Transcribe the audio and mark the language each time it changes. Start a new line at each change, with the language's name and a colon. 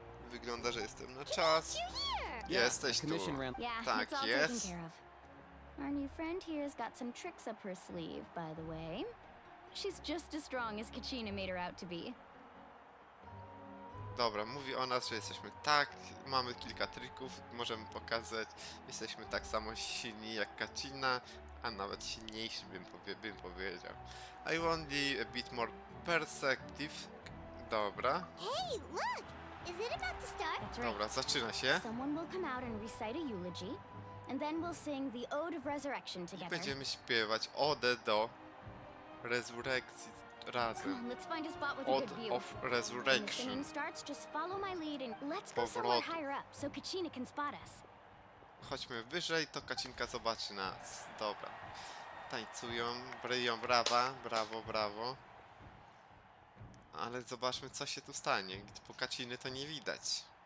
Polish: Wygląda, że jestem na czas. Jesteś tu. Tak, jest.
English: Our new friend here has got some tricks up her sleeve, by the way. She's just as strong as Kachina made her out to be.
Polish: Dobra, mówi o nas, że jesteśmy tak, mamy kilka trików, możemy pokazać. Jesteśmy tak samo silni jak Kachina, a nawet silniejszy bym powiedział.
English: I want the a bit more perspective
Polish: Dobra.
English: Hey, look! Is it about to start?
Polish: Dobra, zaczyna się.
English: Someone will come out and recite a eulogy, and then we'll sing the Ode of Resurrection together.
Polish: I będziemy śpiewać Ode do Rezurekcji razem.
English: Come on, let's find a spot with a good view. Ode of Resurrection. When the singing starts, just follow my lead and let's go somewhere higher up, so Kachina can spot us.
Polish: Chodźmy wyżej, to Kachinka zobaczy nas. Dobra. Tańcują, bryją, brawa, brawo, brawo. Ale zobaczmy, co się tu stanie, gdy po Kachiny to nie widać.